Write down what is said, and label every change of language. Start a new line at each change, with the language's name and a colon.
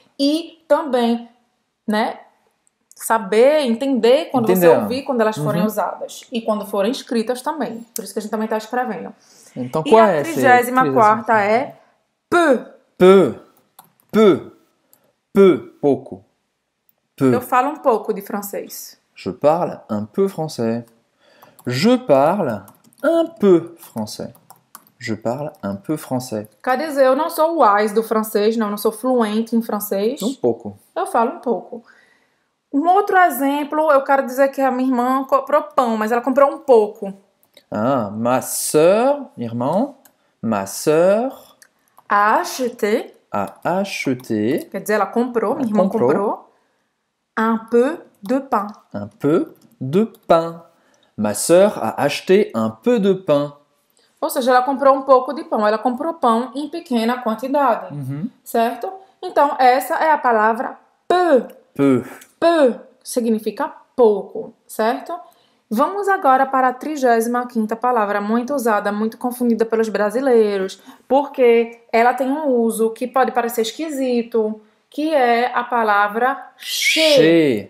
Portuguese: E também, né? Saber, entender quando Entendeu. Você ouvir, quando elas forem uhum. usadas. E quando forem escritas também. Por isso que a gente também está escrevendo. Então, qual é essa? E a 34ª é peu.
French: Peu. Peu. Peu. Pouco. Peu.
Portuguese: Eu falo um pouco de francês.
French: Je parle un peu français. Je parle un peu français. Je parle un peu français.
Portuguese: Quer dizer, eu não sou wise do francês, não. Eu não sou fluente em francês. Um pouco. Eu falo um pouco. Um outro exemplo, eu quero dizer que a minha irmã comprou pão, mas ela comprou um pouco.
French: Ah, ma sœur,
Portuguese: irmão,
French: ma sœur a acheté. A acheté.
Portuguese: Quer dizer, ela comprou, minha irmã comprou.
French: Un peu de pain. Un peu de pain. Ma sœur a acheté un peu de pain.
Portuguese: Ou seja, ela comprou um pouco de pão. Ela comprou pão em pequena quantidade. Uhum. Certo? Então, essa é a palavra peu.
French: Peu.
Portuguese: Peu significa pouco, certo? Vamos agora para a 35ª palavra, muito usada, muito confundida pelos brasileiros, porque ela tem um uso que pode parecer esquisito, que é a palavra che.